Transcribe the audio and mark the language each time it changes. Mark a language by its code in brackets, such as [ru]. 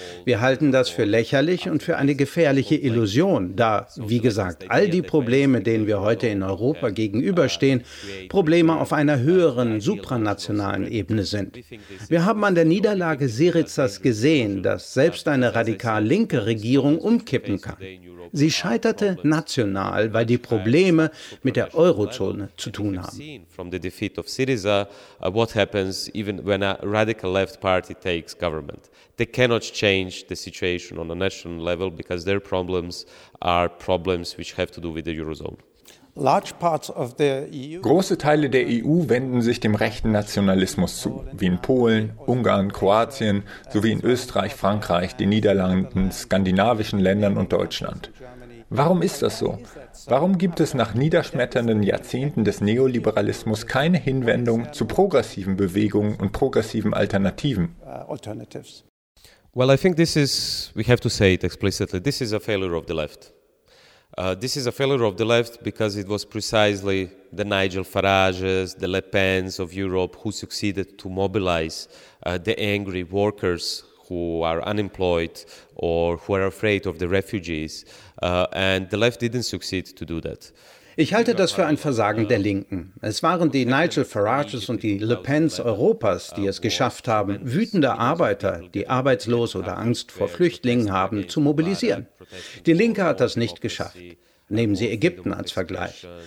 [de] Wir halten das für lächerlich und für eine gefährliche Illusion, da, wie gesagt, all die Probleme, denen wir heute in Europa gegenüberstehen, Probleme auf einer höheren, supranationalen Ebene sind. Wir haben an der Niederlage Syrizas gesehen, dass selbst eine radikal linke Regierung umkippen kann. Sie scheiterte national, weil die Probleme mit der Eurozone zu tun haben. [en] From the defeat of Syriza, what happens even when a radical left party takes government? They cannot change the situation on a national level because their problems are problems which have to do with the Eurozone. Large parts of the EU. [de] Große Teile der EU wenden sich dem rechten Nationalismus zu, wie in Polen, Ungarn, Kroatien, sowie in Österreich, Frankreich, den Niederlanden, skandinavischen Ländern und Deutschland. Warum ist das so? Warum gibt es nach niederschmetternden Jahrzehnten des Neoliberalismus keine Hinwendung zu progressiven Bewegungen und progressiven Alternativen? [en] Well, I think this is, we have to say it explicitly, this is a failure of the left. This is a failure of the left because it was precisely the Nigel Farages, the Le Pens of Europe who succeeded to mobilize the angry workers who are unemployed or who are afraid of the refugees, and the left didn't succeed to do that. [de] Ich halte das für ein Versagen der Linken. Es waren die Nigel Farages und die Le Pens Europas, die es geschafft haben, wütende Arbeiter, die arbeitslos oder Angst vor Flüchtlingen haben, zu mobilisieren. Die Linke hat das nicht geschafft. Nehmen Sie Ägypten als Vergleich.